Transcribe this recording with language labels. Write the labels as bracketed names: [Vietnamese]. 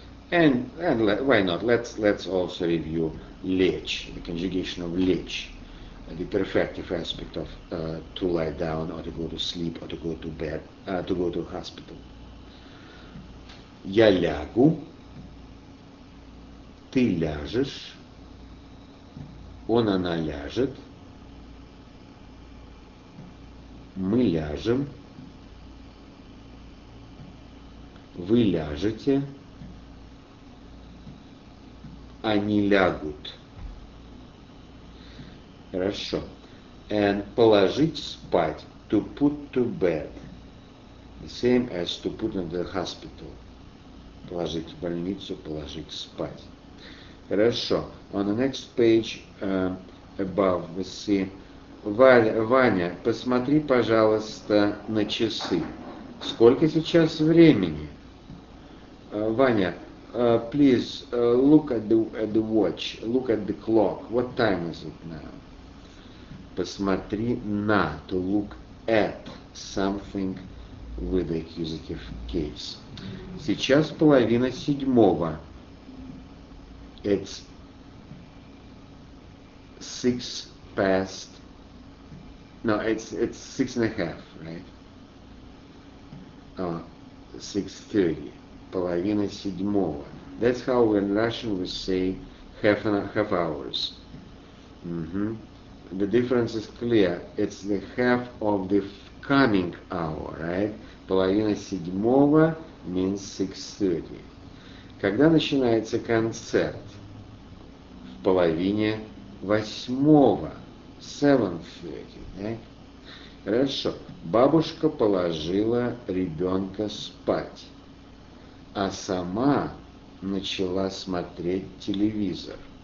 [English] And why not? Let's also review лечь, the conjugation of лечь, the perfective aspect of to lie down or to go to sleep or to go to bed, to go to hospital. [Russian] Я лягу, ты ляжешь, он, она ляжет, мы ляжем, вы ляжете, они лягут. Хорошо. And положить спать. [English] To put to bed. The same as to put in the hospital. [Russian] Положить в больницу, положить спать. [English] Хорошо. On the next page, above, we see. [Russian] Ваня, посмотри, пожалуйста, на часы. Сколько сейчас времени? [English] Ваня, please look at the watch, look at the clock. What time is it now? [Russian] Посмотри на, [English] to look at something with the accusative case. [Russian] Сейчас половина седьмого. [English] It's 6 past. No, it's 6:30, right? [Russian] 6:30. Половина седьмого. [English] That's how in Russian we say half hours. Mm-hmm. The difference is clear. It's the half of the coming hour, right? [Russian] Половина седьмого [English] means 6:30. [Russian] Когда начинается концерт? В половине восьмого. 7:30, right? Хорошо. Бабушка положила ребенка спать, а сама начала смотреть телевизор.